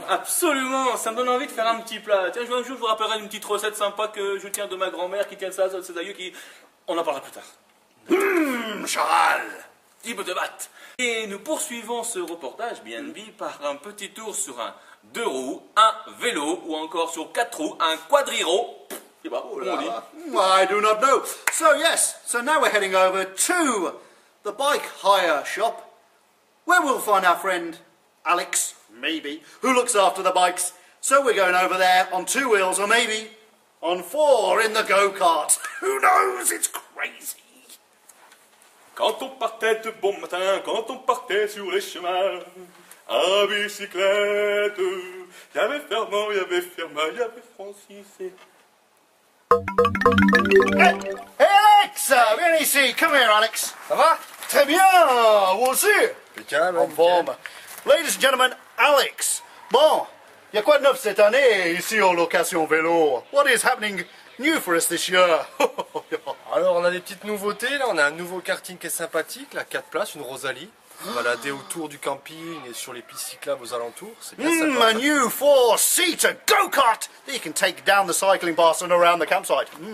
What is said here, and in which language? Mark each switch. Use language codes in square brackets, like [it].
[fr] Absolument, ça me donne envie de faire un petit plat. Tiens, je vous rappellerai une petite recette sympa que je tiens de ma grand-mère qui tient ça, c'est d'ailleurs qui... On en parlera plus tard. Mmm, Charal. Type de batte. Et nous poursuivons ce reportage BNB par un petit tour sur un deux roues, un vélo ou encore sur quatre roues, un quadriro. [en] I do not know. So yes, so now we're heading over to the bike hire shop where we'll find our friend Alex, maybe, who looks after the bikes. So we're going over there on two wheels or maybe on four in the go-kart. Who knows? It's crazy. [fr] Quand on partait de bon matin, quand on partait sur les chemins, à bicyclette, il y avait Fernand, il y avait Firmin, il y avait Francis et... [en] Hey Alex, [fr] viens ici, [en] come here Alex. [fr] Ça va? Très bien, vous aussi? Bien, en forme. [en] Ladies and gentlemen, [fr] Alex, bon, il y a quoi de neuf cette année ici en location vélo? [en] What is happening new for us this year? [fr] Alors, on a des petites nouveautés, là, on a un nouveau karting qui est sympathique, la 4 places, une Rosalie. balader autour du camping et sur les pistes cyclables aux alentours, c'est bien sympa. [en] A new four-seater go-kart that you can take down the cycling path and around the campsite.